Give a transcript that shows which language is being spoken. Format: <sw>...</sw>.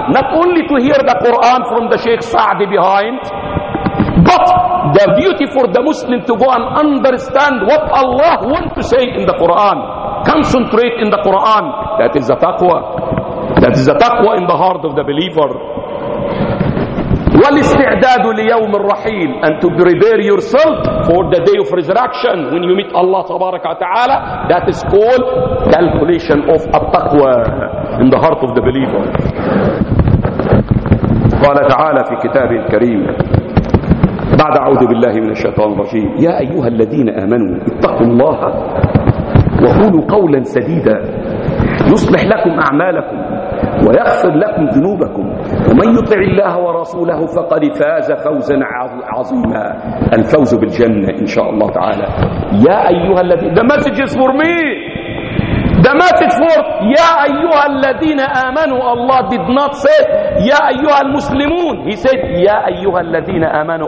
<en>Not only to hear the Quran from the Sheikh Sa'di behind. But the beauty for the Muslim to go and understand what Allah wants to say in the Quran. Concentrate in the Quran. That is the taqwa. That is the taqwa in the heart of the believer.</en> <ar>والاستعداد ليوم الرحيل.</ar> <en>And to prepare yourself for the day of resurrection when you meet Allah</en> <ar>تبارك وتعالى.</ar> <en>That is called calculation of at-taqwa in the heart of the believer.</en> <ar>قال تعالى في كتاب الكريم بعد أعوذ بالله من الشيطان الرجيم يا أيها الذين آمنوا اتقوا الله وقولوا قولا سديدا يصلح لكم أعمالكم ويغفر لكم ذنوبكم ومن يطع الله ورسوله فقد فاز فوزا عظيما. الفوز بالجنة إن شاء الله تعالى. يا أيها الذين</ar> <en>The message is for me. The message for</en> <ar>يا أيها الذين آمنوا.</ar> <en>Allah did not say</en> <ar>يا أيها المسلمون.</ar> <en>He said</en> <ar>يا أيها الذين آمنوا.</ar>